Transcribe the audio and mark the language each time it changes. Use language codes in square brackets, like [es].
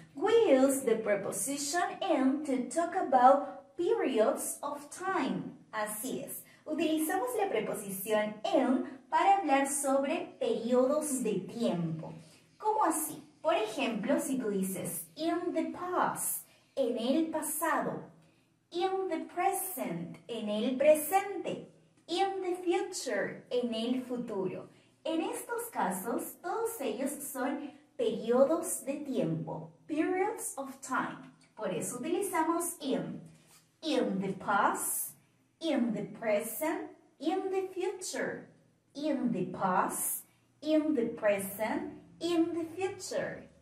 [en] We use the preposition in to talk about periods of time. [es] Así es. Utilizamos la preposición in para hablar sobre periodos de tiempo. ¿Cómo así? Por ejemplo, si tú dices [en] in the past, [es] en el pasado. [en] In the present, [es] en el presente. [en] In the future, [es] en el futuro. En estos casos, todos ellos son periodos de tiempo. [en] Periods of time. [es] Por eso utilizamos in. [en] In the past, in the present, in the future. In the past, in the present, in the future.